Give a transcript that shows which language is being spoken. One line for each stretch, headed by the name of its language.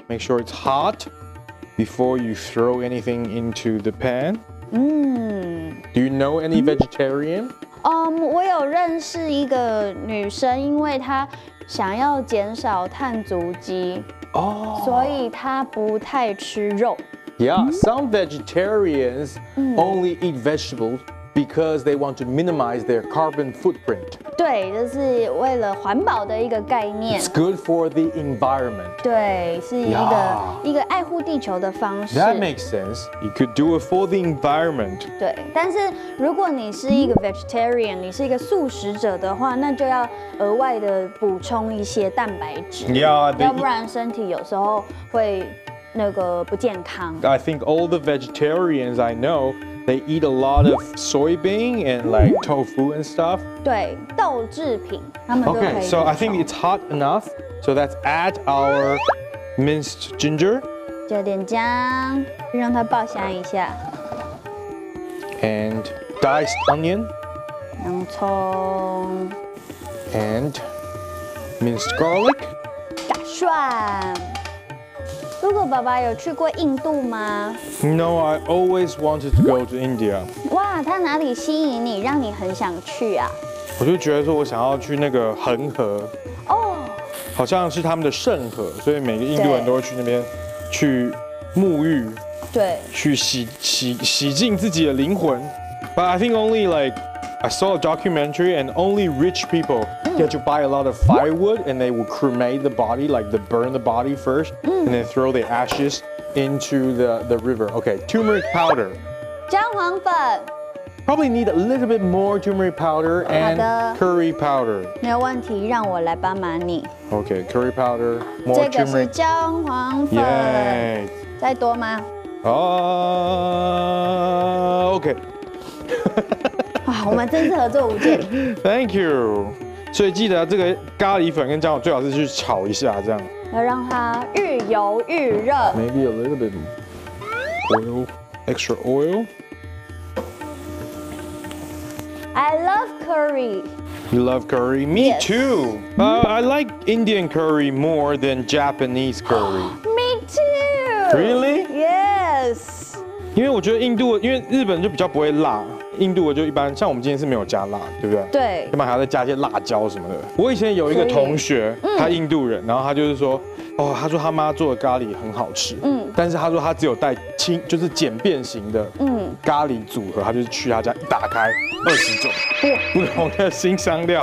English: Make sure it's hot before you throw anything into the pan. Do you know any vegetarian?
Chinese: 我有认识一个女生，因为她想要减少碳足迹，所以她不太吃肉。
English: Yeah, some vegetarians only eat vegetables because they want to minimize their carbon footprint.
Chinese: 对，这是为了环保的一个概念。
English: It's good for the environment.
Chinese: 对，是一个爱护地球的方式。
English: That makes sense. You could do it for the environment.
Chinese: 对，但是如果你是一个 vegetarian， 你是一个素食者的话，那就要额外的补充一些蛋白质。
English: Yeah,
Chinese: 要不然身体有时候会。那个不健康。
English: I think all the vegetarians I know They eat a lot of soybean and like tofu and stuff.
Chinese: 对，豆制品，他们都可以。
English: Okay, so I think it's hot enough. So let's add our minced ginger.
Chinese: 加点姜，让它爆香一下。
English: And diced onion.
Chinese: 洋葱。
English: And minced garlic.
Chinese: 大蒜。如果爸爸有去过印度吗
English: ？No, I always wanted to go to India.
Chinese: 哇，它哪里吸引你，让你很想去啊？我就觉得说我想要去那个恒河。哦。好像是他们的圣河，所以每个印度人都会去那边去沐浴。对。去洗净自己的灵魂。
English: But I think only like I saw a documentary, and only rich people get to buy a lot of firewood, and they will cremate the body, like they burn the body first. And then throw the ashes into the river. Okay, turmeric powder.
Chinese: 姜黄粉
English: Probably need a little bit more turmeric powder and curry powder.
Chinese: 没有问题，让我来帮忙你。
English: Okay, curry powder, more turmeric.
Chinese: 这个是姜黄粉。
English: Yay.
Chinese: 再多吗？
English: Okay.
Chinese: 哇，我们真是合作无间。
English: Thank you.
Chinese: 所以记得这个咖喱粉跟姜黄最好是去炒一下，这样。要让它愈油愈热。
English: Maybe a little bit oil, extra oil. I love curry. You love curry? Me yes. too. I like Indian curry more than Japanese curry. Me too. Really? Yes.
Chinese: 因为我觉得印度，因为日本就比较不会辣。印度就一般，像我们今天是没有加辣，对不对？对，要不然还要再加一些辣椒什么的。我以前有一个同学，他印度人，然后他就是说，哦，他说他妈做的咖喱很好吃，但是他说他只有带轻，就是简便型的，咖喱组合，他就是去他家一打开20种不同的新香料，